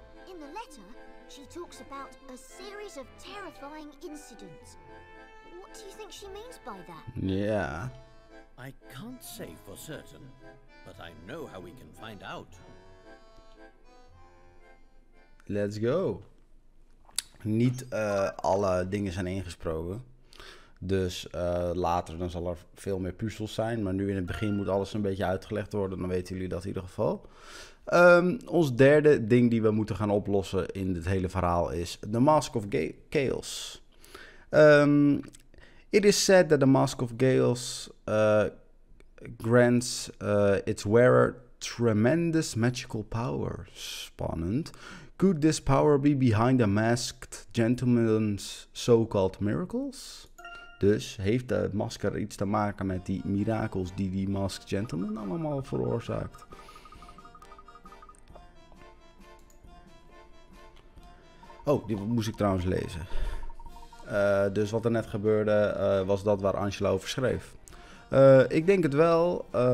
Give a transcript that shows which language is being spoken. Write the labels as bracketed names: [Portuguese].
[English] In the letter, she talks about a series of terrifying incidents. What do you think she means by that? Yeah. I can't say for certain, but I know how we can find out. Let's go. [Dutch] Niet alle dingen zijn ingesproken. Dus later dan zal er veel meer puzzels zijn. Maar nu in het begin moet alles een beetje uitgelegd worden. Dan weten jullie dat in ieder geval. Ons derde ding die we moeten gaan oplossen in dit hele verhaal is The Mask of Chaos. [English] It is said that the Mask of Chaos grants its wearer tremendous magical power. [Dutch] Spannend. [English] Could this power be behind the masked gentleman's so-called miracles? [Dutch] Dus heeft de masker iets te maken met die mirakels die die masked gentleman allemaal veroorzaakt? Oh, die moest ik trouwens lezen. Dus wat er net gebeurde was dat waar Angela over schreef. Ik denk het wel.